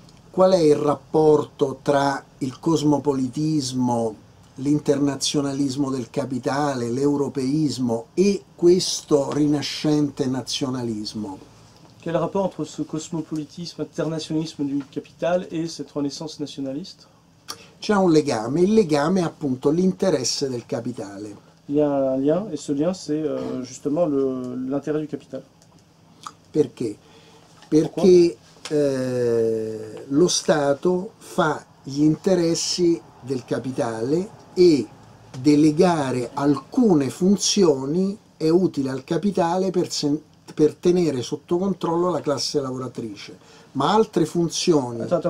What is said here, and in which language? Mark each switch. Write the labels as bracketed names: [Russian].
[Italian] Qual è il rapporto tra il cosmopolitismo, l'internazionalismo del capitale, l'europeismo e questo rinascente nazionalismo? Quel rapporto tra questo cosmopolitismo, internazionalismo del capitale e questa renaissance nazionalista? C'è un legame, il legame è appunto l'interesse del capitale. [French] Il y a un lien, e ce lien c'est justement l'intérêt du capitale. [Italian] Perché? Perché lo Stato fa gli interessi del capitale e delegare alcune funzioni è utile al capitale per tenere sotto controllo la classe lavoratrice, ma altre funzioni.